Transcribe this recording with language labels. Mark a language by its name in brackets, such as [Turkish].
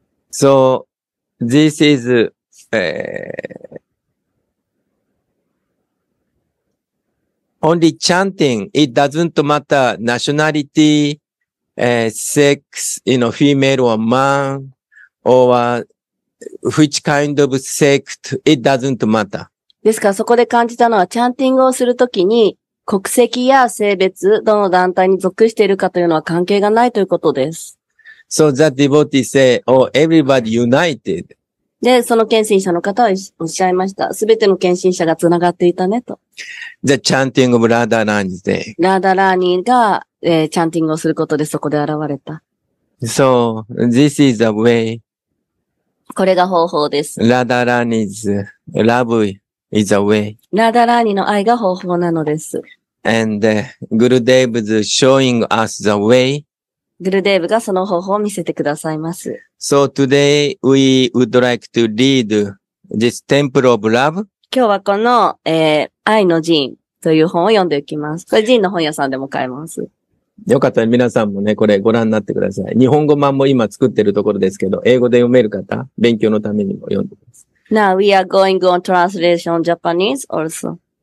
[English] So, this is, only chanting, it doesn't matter nationality, sex, you know, female or man, or which kind of sect, it doesn't matter. [Japanese] ですから、そこで感じたのは、チャンティングをするときに、国籍や性別、どの団体に属しているかというのは関係がないということです。 [English] So the devotee say, oh, everybody united. [Japanese] で、その献身者の方はおっしゃいました。すべての献身者がつながっていたね、と。 [English] The chanting of Radha Rani's day. [Japanese] ラダラーニが、チャンティングをすることでそこで現れた。 [English] So, this is the way. [Japanese] これが方法です。 [English] ラダラーニ is lovely. Is a way. [Japanese] ラダラーニの愛が方法なのです。 [English] And, Gurudev is showing us the way. [Japanese] グルデーブがその方法を見せてくださいます。 [English] So today we would like to read this Temple of Love. [Japanese] 今日はこの、愛の寺院という本を読んでいきます。これ寺院の本屋さんでも買えます。よかったら皆さんもね、これご覧になってください。日本語版も今作ってるところですけど、英語で読める方、勉強のためにも読んでください。 [English] Now we are going on translation Japanese also.